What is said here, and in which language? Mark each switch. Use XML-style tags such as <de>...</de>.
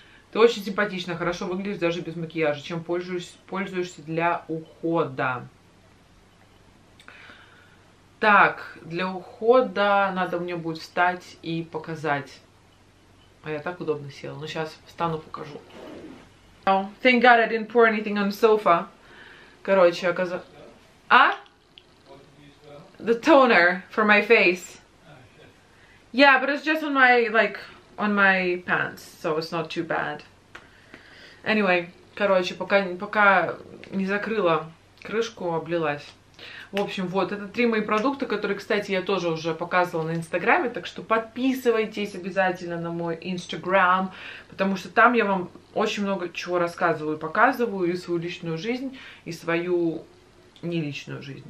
<ru>Ты очень симпатична, хорошо выглядишь даже без макияжа. Чем пользуешься для ухода? Так, для ухода надо мне будет встать и показать. А я так удобно села. Ну, сейчас встану, покажу.</ru> <en>Thank God I didn't pour anything on the sofa.</en> <ru>Короче, оказалось... А?</ru> <en>The toner for my face. Yeah, but it's just on my, like, on my pants, so it's not too bad.</en> <ru>Anyway, короче, пока не закрыла крышку, облилась. В общем, вот, это три мои продукта, которые, кстати, я тоже уже показывала на Инстаграме, так что подписывайтесь обязательно на мой Инстаграм, потому что там я вам очень много чего рассказываю, показываю и свою личную жизнь, и свою не личную жизнь.</ru>